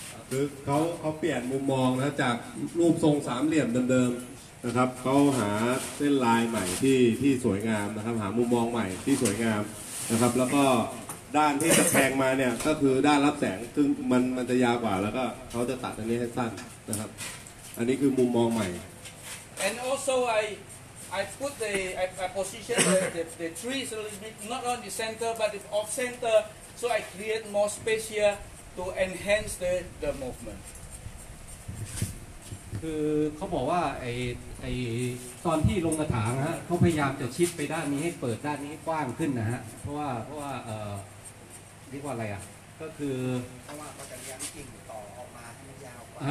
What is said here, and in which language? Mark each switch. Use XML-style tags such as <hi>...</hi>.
<th>คือเขาเปลี่ยนมุมมองนะจากรูปทรงสามเหลี่ยมเดิมๆนะครับเขาหาเส้นลายใหม่ที่สวยงามนะครับหามุมมองใหม่ที่สวยงามนะครับแล้วก็ด้านที่จะแทงมาเนี่ยก็คือด้านรับแสงซึ่งมันจะยาวกว่าแล้วก็เขาจะตัดอันนี้ให้สั้นนะครับอันนี้คือมุมมองใหม่</th> <en>and also I put the I position the trees a little bit not on the center but it's off center so I create more space hereto enhance the movement</en> <th>คือเขาบอกว่าไอตอนที่ลงกระถางฮะเขาพยายามจะชิดไปด้านนี้ให้เปิดด้านนี้กว้างขึ้นนะฮะเพราะว่าเรียกว่าอะไรอ่ะก็คือ เพราะว่าประกันยางจริงต่อออกมาให้มันยาวกว</th>